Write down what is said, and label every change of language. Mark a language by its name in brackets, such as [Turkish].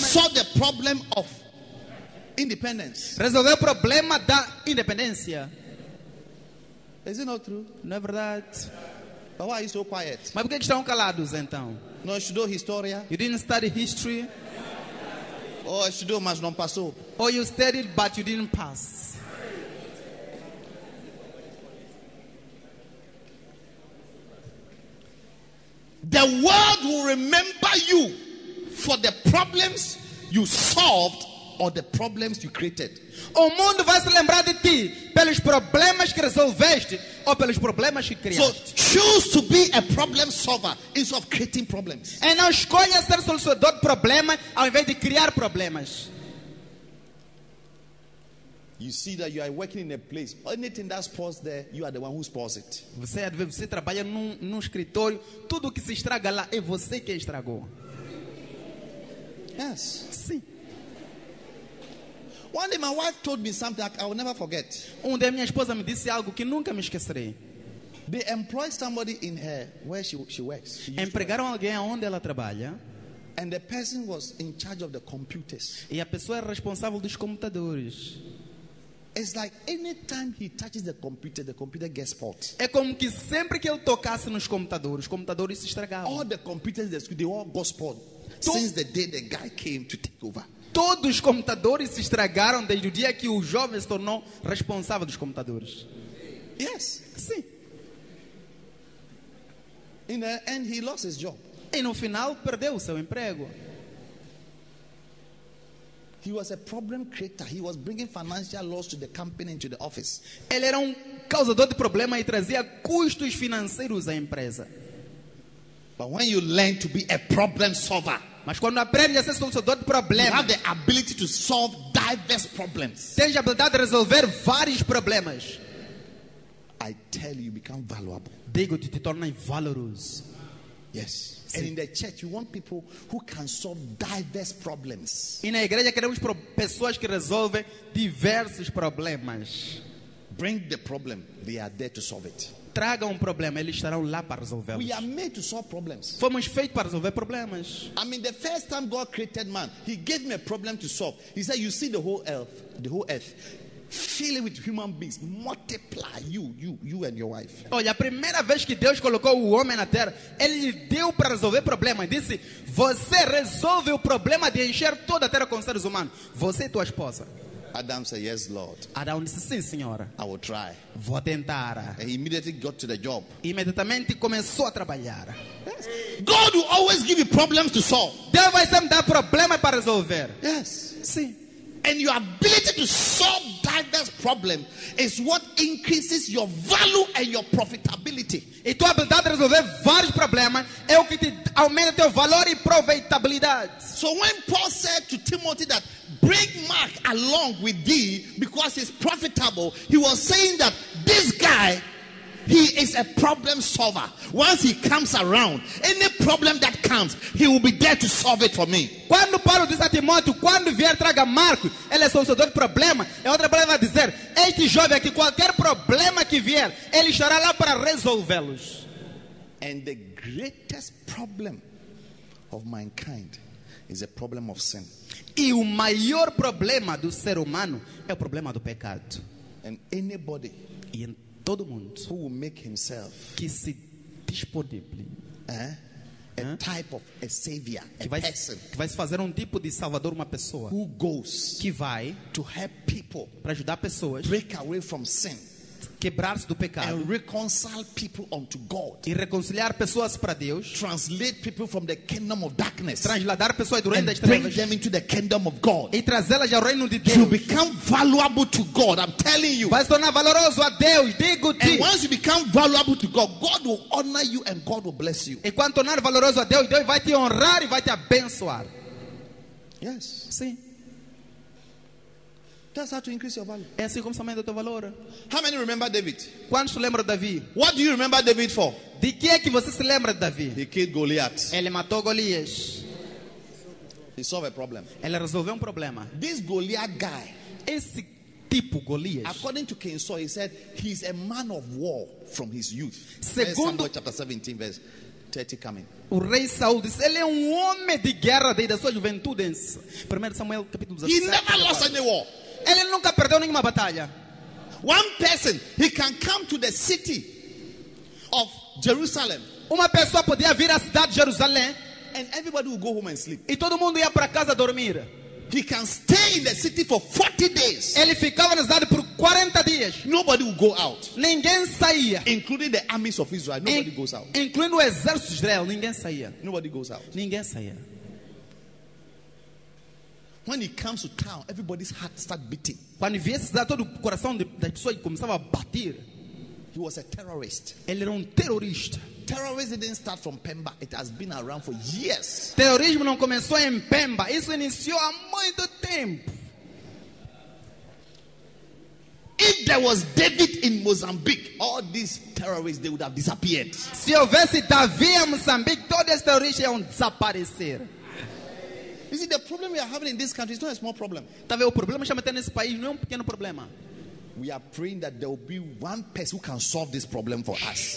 [English] He saw the problem of independence. [Portuguese] Resolveu o problema da independência. [English] Is it not true? [Portuguese] Não é verdade. [English] But why are you so quiet? [Portuguese] Mas por que estão calados então? Não estudou história? [English] You didn't study history. [Portuguese] Oh, estudou, mas não passou. [English] Or you studied, but you didn't pass. The world will remember you for the problems you solved or the problems you created. [Portuguese] O mundo vai se lembrar de ti pelos problemas que resolveste ou pelos problemas que criaste. [English] So choose to be a problem solver instead of creating problems. [Portuguese] E não escolha ser solucionador de problemas ao invés de criar problemas. [English] You see that you are working in a place. Anything that spoils there, you are the one who spoils it. [Portuguese] Você trabalha num escritório. Tudo que se estraga lá é você quem estragou. [English] Yes. [Portuguese] Sim. [English] One day my wife told me something I will never forget. [Portuguese] Um dia minha esposa me disse algo que nunca me esquecerei. [English] They employ somebody in her where she works. [Portuguese] Empregaram alguém onde ela trabalha. [English] And the person was in charge of the computers. [Portuguese] E a pessoa era responsável dos computadores. [English] It's like any time he touches the computer gets fault. [Portuguese] É como que sempre que ele tocasse nos computadores, os computadores se estragavam. [English] All the computers in the school, they all got spoiled since the day the guy came to take over. [Portuguese] Todos os computadores se estragaram desde o dia que o jovem se tornou responsável dos computadores. [English] Yes. [Portuguese] Sim. [English] And he lost his job. [Portuguese] E no final perdeu o seu emprego. [English] He was a problem creator. He was bringing financial loss to the company and to the office. [Portuguese] Ele era causador de problema e trazia custos financeiros à empresa. [English] But when you learn to be a problem solver, [Portuguese] mas quando aprende a ser solucionador de problemas, [English] you have the ability to solve diverse problems. [Portuguese] Tens a habilidade de resolver vários problemas. [English] I tell you, you become valuable. [Portuguese] Digo-te, te tornas valoroso. [English] Yes. [Portuguese] Sim. [English] And in the church, you want people who can solve diverse problems. [Portuguese] E na igreja queremos pessoas que resolvem diversos problemas. [English] Bring the problem, they are there to solve it. [Portuguese] Traga problema, eles estarão lá para resolvê-los. [English] We are made to solve problems. [Portuguese] Fomos feitos para resolver problemas. [English] I mean, the first time God created man, he gave me a problem to solve. He said, you see the whole earth, fill it with human beings, multiply you and your wife. [Portuguese] Olha, a primeira vez que Deus colocou o homem na terra, ele lhe deu para resolver problemas. Disse, você resolve o problema de encher toda a terra com seres humanos. Você e tua esposa. [English] Adam said, yes, Lord. [Portuguese] Adão disse, sim, senhora. [English] I will try. [Portuguese] Vou tentar. [English] And he immediately got to the job. [Portuguese] Imediatamente começou a trabalhar. [English] Yes. God will always give you problems to solve. [Portuguese] Deus vai sempre dar problemas para resolver. [English] Yes. [Portuguese] Sim. [English] And your ability to solve diverse problems is what increases your value and your profitability. [Portuguese] E tua habilidade de resolver vários problemas é o que te aumenta teu valor e profitabilidade. [English] So when Paul said to Timothy that bring Mark along with thee because he's profitable, he was saying that this guy, he is a problem solver. Once he comes around, any problem that comes, he will be there to solve it for me. [Portuguese] Quando Paulo diz a Timóteo, quando vier traga Marco, ele é solucionador de problema. É outra palavra a dizer, este jovem aqui, qualquer problema que vier, ele estará lá para resolvê-los. [English] And the greatest problem of mankind is a problem of sin. [Portuguese] E o maior problema do ser humano é o problema do pecado. [English] And anybody [Portuguese] todo mundo [English] who will make himself [Portuguese] que se disponible, [English] type of a savior, person [Portuguese] que vai se fazer tipo de salvador, uma pessoa [English] who goes [Portuguese] que vai [English] to help people, [Portuguese] para ajudar pessoas [English] break away from sin, [Portuguese] quebrar-se do pecado, [English] and reconcile people unto God, [Portuguese] e reconciliar pessoas para Deus, [English] translate people from the kingdom of darkness, [Portuguese] transladar pessoas do reino das trevas, [English] bring them into the kingdom of God, [Portuguese] e trazê-las ao reino de Deus, [English] you become valuable to God. I'm telling you, [Portuguese] vai se tornar valoroso a Deus. Digo ti. [English] And once you become valuable to God, God will honor you and God will bless you. [Portuguese] E quando tornar valoroso a Deus, Deus vai te honrar e vai te abençoar. [English] Yes. [Portuguese] Sim. [English] That's how to increase your value. [Portuguese] É assim como se aumenta o teu valor. [English] How many remember David? [Portuguese] Quantos lembram Davi? [English] What do you remember David for? [Portuguese] De que é que você se lembra de Davi? [English] He killed Goliath. [Portuguese] Ele matou Golias. [English] He solved a problem. [Portuguese] Ele resolveu problema. [English] This Goliath guy. [Portuguese] Esse tipo Golias. [English] According to King Saul, he said he's a man of war from his youth. [Portuguese] Segundo [English] Samuel chapter 17 verse 30 coming. [Portuguese] O rei Saul disse, ele é homem de guerra desde a sua juventude. 1 Samuel capítulo 17. [English] He never lost any war. [Portuguese] Ele nunca perdeu nenhuma batalha. [English] One person, he can come to the city of Jerusalem. [Portuguese] Uma pessoa podia vir à cidade de Jerusalém, [English] and everybody will go home and sleep. [Portuguese] E todo mundo ia para casa dormir. [English] He can stay in the city for 40 days. [Portuguese] Ele ficava na cidade por 40 dias. [English] Nobody will go out. [Portuguese] Ninguém saía. [English] Including the armies of Israel, nobody goes out. [Portuguese] Incluindo o exército de Israel, ninguém saía. [English] Nobody goes out. [Portuguese] Ninguém saía. [English] When he comes to town, everybody's heart start beating. [Portuguese] Quando ele viesse à cidade, todo o coração da pessoa começava a bater. [English] He was a terrorist. [Portuguese] Ele era terrorista. [English] Terrorism didn't start from Pemba. It has been around for years. [Portuguese] Terrorismo não começou em Pemba. Isso iniciou há muito tempo. [English] If there was David in Mozambique, all these terrorists, they would have disappeared. [Portuguese] Se houvesse Davi em Moçambique, todos os terroristas iam desaparecer. [English] You see, the problem we are having in this country is not a small problem. [Portuguese] Talvez o problema que estamos tendo nesse país não é pequeno problema. [English] We are praying that there will be one person who can solve this problem for us.